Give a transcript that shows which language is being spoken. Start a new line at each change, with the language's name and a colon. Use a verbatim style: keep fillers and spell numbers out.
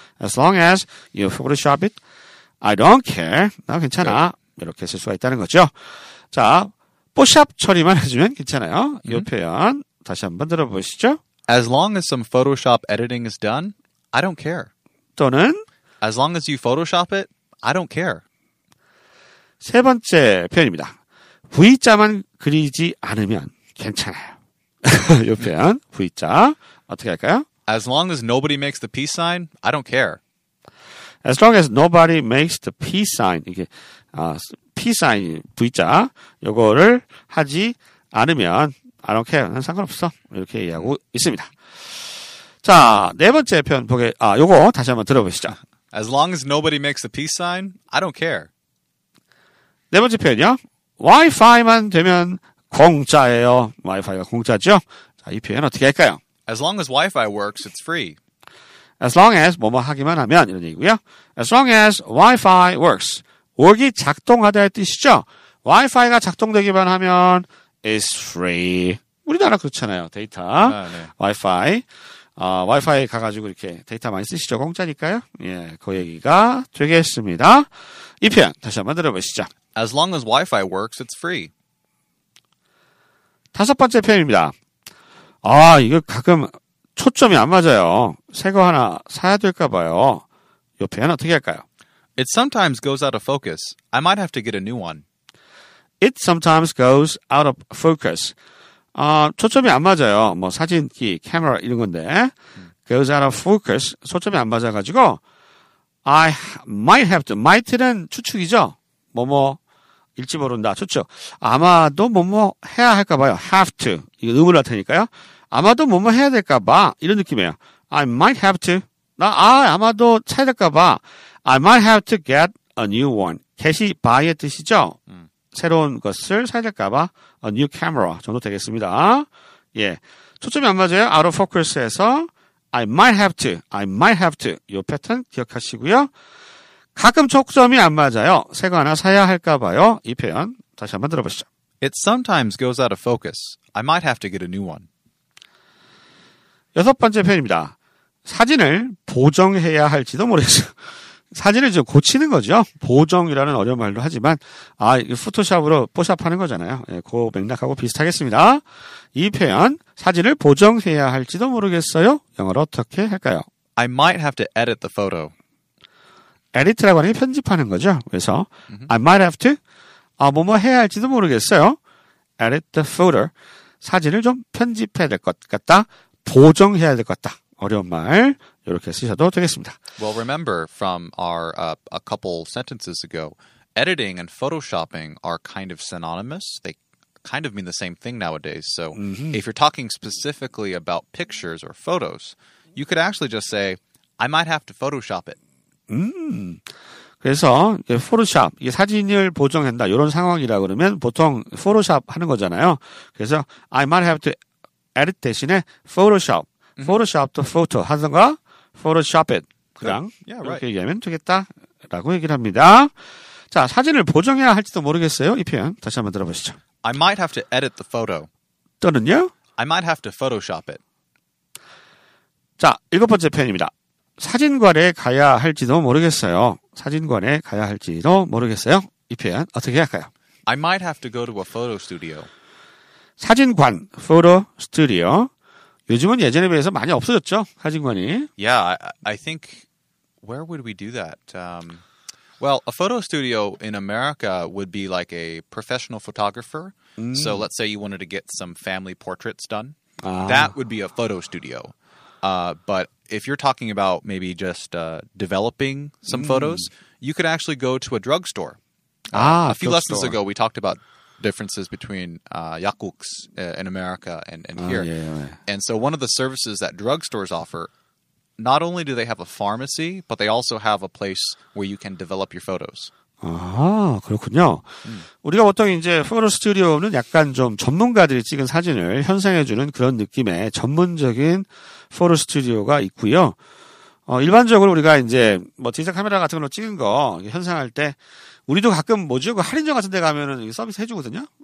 English: As long as you Photoshop it, I don't care.
Korean: 나 괜찮아. 네. 이렇게 쓸 수가 있다는 거죠. 자, 포샵 처리만 해주면 괜찮아요. 음. 이 표현 다시 한번 들어보시죠.
English: As long as some Photoshop editing is done, I don't care.
Korean: 또는
English: As long as you Photoshop it, I don't care.
Korean: 세 번째 표현입니다. V자만 그리지 않으면 괜찮아요. 이 표현 V자 어떻게 할까요?
English: As long as nobody makes the peace sign, I don't care. As long as nobody makes the peace sign,
Korean: 이게 아,
English: peace sign
Korean: V자 요거를 하지 않으면
English: I don't care.
Korean: 난 상관없어. 이렇게 얘기하고 있습니다. 자, 네 번째 표현 보게, 아, 요거 다시 한번 들어보시죠.
English: As long as nobody makes the peace sign, I don't care.
Korean: 네 번째 표현이요. 와이파이만 되면 공짜예요. 와이파이가 공짜죠. 자, 이 표현 어떻게 할까요?
English: As long as Wi-Fi works, it's free. As long as
Korean: 뭐뭐 하기만 하면 이런 얘기고요.
English: As long as Wi-Fi works.
Korean: work이 작동하다의 뜻이죠. Wi-Fi가 작동되기만 하면
English: it's free.
Korean: 우리나라 그렇잖아요. 데이터, 아, 네. Wi-Fi. 아, 와이파이 가가지고 이렇게 데이터 많이 쓰시죠. 공짜니까요. 예, 그 얘기가 되겠습니다. 이 표현 다시 한번 들어보시죠.
English: As long as Wi-Fi works, it's free.
Korean: 다섯 번째 표현입니다. 아, 이거 가끔 초점이 안 맞아요. 새 거 하나 사야 될까 봐요. 이 표현 어떻게 할까요?
English: It sometimes goes out of focus. I might have to get a new one. It sometimes goes out of focus.
Korean: 아, 초점이 안 맞아요. 뭐 사진기, 카메라 이런 건데 음.
English: goes out of focus.
Korean: 초점이 안 맞아가지고
English: I might have to.
Korean: might는 추측이죠. 뭐뭐 일지 모른다. 추측. 아마도 뭐뭐 해야 할까 봐요. have to. 이거 의문을 나타내니까요. 아마도 뭐뭐 해야 될까 봐. 이런 느낌이에요.
English: I might have to.
Korean: 나 아, 아마도 사야 될까 봐.
English: I might have to get a new one.
Korean: get이 buy의 뜻이죠. 음. 새로운 것을 사야 될까봐
English: a new camera
Korean: 정도 되겠습니다. 예, 초점이 안 맞아요.
English: out of focus에서 I might have to, I might have to
Korean: 이 패턴 기억하시고요. 가끔 초점이 안 맞아요. 새 거 하나 사야 할까봐요. 이 표현 다시 한번 들어보시죠.
English: It sometimes goes out of focus. I might have to get a new one.
Korean: 여섯 번째 표현입니다. 사진을 보정해야 할지도 모르겠어요. 사진을 좀 고치는 거죠. 보정이라는 어려운 말로 하지만 아, 포토샵으로 포샵하는 거잖아요. 예, 그 맥락하고 비슷하겠습니다. 이 표현 사진을 보정해야 할지도 모르겠어요. 영어로 어떻게 할까요?
English: I might have to edit the photo.
Korean: edit라고 하는 게 편집하는 거죠. 그래서 mm-hmm.
English: I might have to
Korean: 아, 뭐뭐 해야 할지도 모르겠어요.
English: edit the photo.
Korean: 사진을 좀 편집해야 될 것 같다. 보정해야 될 것 같다. 어려운 말. 이렇게 쓰셔도 되겠습니다.
English: Well, remember from our uh, a couple sentences ago, editing and photoshopping are kind of synonymous. They kind of mean the same thing nowadays. So mm-hmm. if you're talking specifically about pictures or photos, you could actually just say, I might have to Photoshop it.
Korean: 음, 그래서 포토샵, 이게 사진을 보정한다, 이런 상황이라 그러면 보통 포토샵 하는 거잖아요.
English: 그래서 I might have to edit 대신에 Photoshop, mm-hmm. Photoshop to photo 하던가 Photoshop it.
Korean: 그냥
English: yeah, right.
Korean: 이렇게 얘기하면 되겠다라고 얘기를 합니다. 자, 사진을 보정해야 할지도 모르겠어요. 이 표현 다시 한번 들어보시죠.
English: I might have to edit the photo.
Korean: 또는요?
English: I might have to Photoshop it.
Korean: 자, 일곱 번째 표현입니다. 사진관에 가야 할지도 모르겠어요. 사진관에 가야 할지도 모르겠어요. 이 표현 어떻게 할까요?
English: I might have to go to a photo studio. 사진관, photo studio.
Korean: 요즘은 예전에 비해서 많이 없어졌죠. 사진관이.
English: Yeah, I, I think where would we do that? Um, well, a photo studio in America would be like a professional photographer. Mm. So let's say you wanted to get some family portraits done. Ah. That would be a photo studio. Uh, but if you're talking about maybe just uh, developing some mm. photos, you could actually go to a drugstore. Ah, uh, a few drugstore. lessons ago, we talked about differences between uh, yakuks uh, in America and, and here. Oh, yeah, yeah. And so one of the services that drugstores offer, not only do they have a pharmacy, but they also have a place where you can develop your photos.
Korean: 아, 그렇군요. 음. 우리가 보통 이제 포토 스튜디오는 약간 좀 전문가들이 찍은 사진을 현상해주는 그런 느낌의 전문적인 포토 스튜디오가 있고요. 어, 일반적으로 우리가 이제 뭐 디지털 카메라 같은 걸로 찍은 거 현상할 때 우리도 가끔 뭐죠? 그 할인점 같은 데 가면은 서비스 해주거든요?